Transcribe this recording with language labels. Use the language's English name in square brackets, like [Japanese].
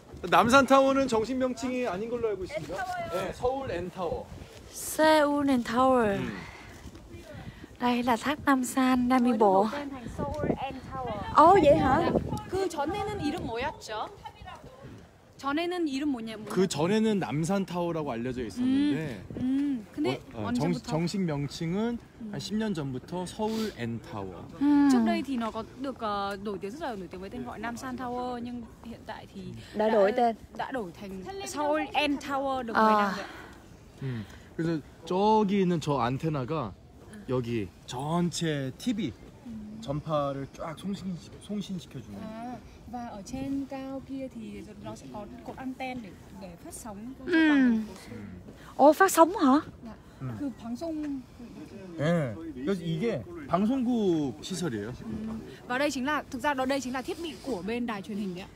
[Korean] 남산 타워는 정식 명칭이 아닌 걸로 알고 있습니다. 네, 서울 N 타워. [English] Seoul N Tower. [Vietnamese] Đây là tháp Namsan Nam Bộ. Oh, vậy hả? [Korean] 그 전에는 이름 뭐였죠? 전에는 이름 뭐냐? 그 전에는 남산 타워라고 알려져 있었는데. 근데 언제부터? 정식 명칭은 한 10년 전부터 서울 N 타워. [Vietnamese] Trước đây thì nó có được đổi tiếng rất là nổi tiếng với tên gọi Nam San Tower, nhưng hiện tại thì đã đổi tên. Đã đổi thành Seoul N Tower được rồi. [Korean] 그래서 저기 있는 저 안테나가 여기 전체 TV 전파를 쫙 송신 시켜 주는. [Vietnamese] Và ở trên cao kia thì nó sẽ có cột anten để phát sóng. Ồ, phát sóng hả? Cứ phóng sóng. Ừ. Đây là phóng sóng của [Korean] 시설이에요. [Vietnamese] Và đây chính là thực ra đó đây chính là thiết bị của bên đài truyền hình đấy